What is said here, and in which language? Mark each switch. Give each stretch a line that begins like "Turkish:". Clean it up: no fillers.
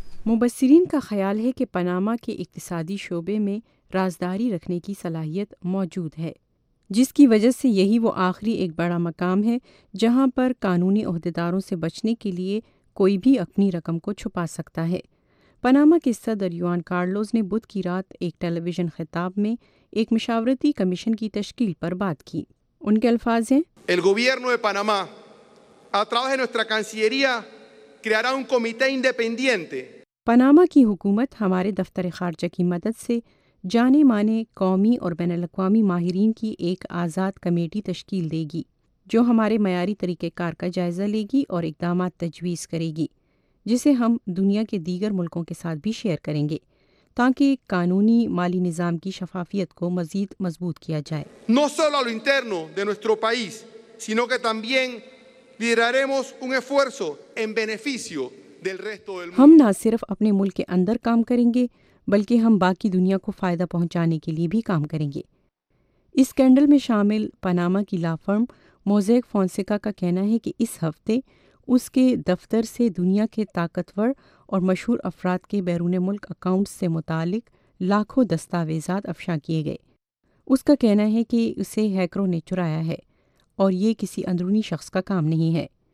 Urdu: مبصرین کا خیال ہے کہ پاناما کے اقتصادی شعبے میں رازداری رکھنے کی صلاحیت موجود ہے، جس کی وجہ سے یہی وہ آخری ایک بڑا مقام ہے جہاں پر قانونی عہدیداروں سے بچنے کے لیے کوئی بھی اپنی رقم کو چھپا سکتا ہے۔ پاناما کے صدر یوان کارلوس نے بدھ کی رات ایک ٹیلی ویژن خطاب میں ایک مشاورتی کمیشن کی تشکیل پر بات کی۔ ان کے الفاظ ہیں،
Spanish: El gobierno de Panamá, a través de nuestra cancillería, creará un comité independiente.
Urdu: Panama کی حکومت ہمارے دفتر خارجہ کی مدد سے جانے مانے قومی اور بین الاقوامی ماہرین کی ایک آزاد کمیٹی تشکیل دے گی جو ہمارے معیاری طریقہ کار کا جائزہ لے گی اور اقدامات تجویز کرے گی، جسے ہم دنیا کے دیگر ملکوں کے ساتھ بھی شیئر کریں گے تاکہ قانونی مالی نظام کی شفافیت کو مزید مضبوط کیا جائے۔
Spanish: No solo al interno de nuestro país, sino que también lideraremos un esfuerzo en beneficio del resto del mundo.
Urdu: ہم نہ صرف اپنے ملک کے اندر کام کریں گے بلکہ ہم باقی دنیا کو فائدہ پہنچانے کے لیے بھی کام کریں گے۔ اس سکینڈل میں شامل پاناما کی لا فرم موزیک فونسیکا کا کہنا ہے کہ اس ہفتے اس کے دفتر سے دنیا کے طاقتور اور مشہور افراد کے بیرون ملک اکاؤنٹس سے متعلق لاکھوں دستاویزات افشا کیے گئے۔ اس کا کہنا ہے کہ اسے ہیکروں نے چرایا ہے اور یہ کسی اندرونی شخص کا کام نہیں ہے۔